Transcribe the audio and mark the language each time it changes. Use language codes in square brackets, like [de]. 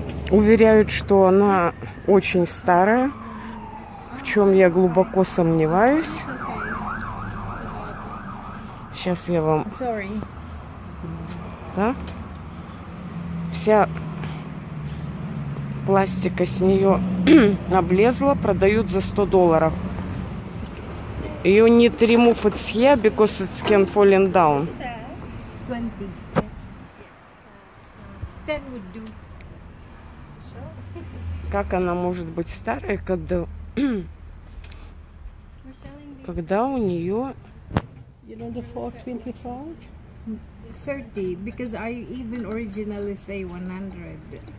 [ru] Уверяют, что она очень старая, в чем я глубоко сомневаюсь. Сейчас я вам... Да? Вся пластика с нее облезла. Продают за $100. [en] You need to remove it here, because it can falling down. 20. 10 would do. [ru] Как она может быть старая, когда когда у нее... [en] You know the 425? 30, because I even originally say 100.